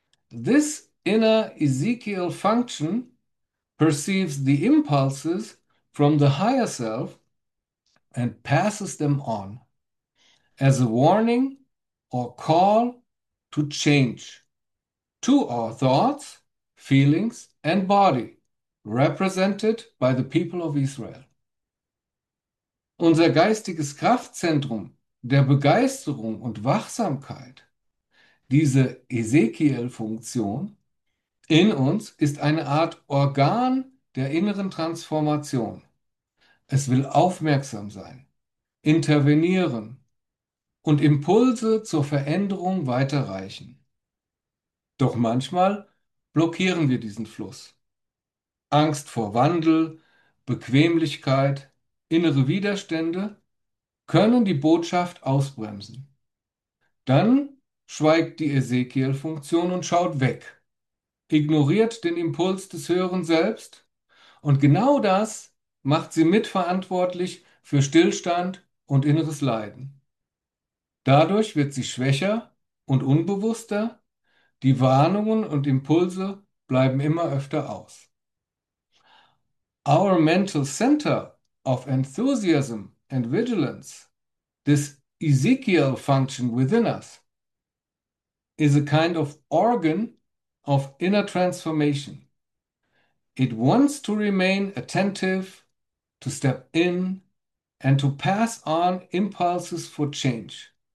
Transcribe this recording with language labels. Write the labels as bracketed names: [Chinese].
[English] This inner Ezekiel function perceives the impulses from the higher self and passes them on as a warning or call to change to our thoughts, feelings, and body, represented by the people of Israel. [German] Unser geistiges Kraftzentrum der Begeisterung und Wachsamkeit, diese Ezekiel-Funktion in uns, ist eine Art Organ der inneren Transformation. Es will aufmerksam sein, intervenieren und Impulse zur Veränderung weiterreichen. Doch manchmal blockieren wir diesen Fluss. Angst vor Wandel, Bequemlichkeit, innere Widerstände können die Botschaft ausbremsen. Dann schweigt die Ezekiel-Funktion und schaut weg, ignoriert den Impuls des höheren Selbst, und genau das macht sie mitverantwortlich für Stillstand und inneres Leiden. Dadurch wird sie schwächer und unbewusster, die Warnungen und Impulse bleiben immer öfter aus. [English] Our mental center of enthusiasm and vigilance, this Ezekiel function within us, is a kind of organ of inner transformation. It wants to remain attentive, to step in, and to pass on impulses for change.